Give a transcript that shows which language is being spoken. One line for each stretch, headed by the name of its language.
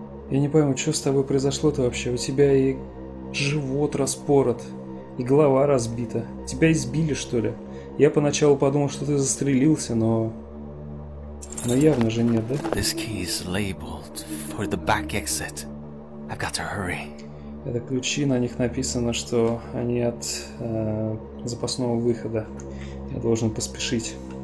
Russian: Я не пойму, что с тобой произошло-то вообще? У тебя и живот распорот, и голова разбита. Тебя избили, что ли? Я поначалу подумал, что ты застрелился, но... Но явно же нет, да?
English: This key is labeled for the back exit. I've got to hurry.
Russian: Это ключи, на них написано, что они от запасного выхода. Я должен поспешить.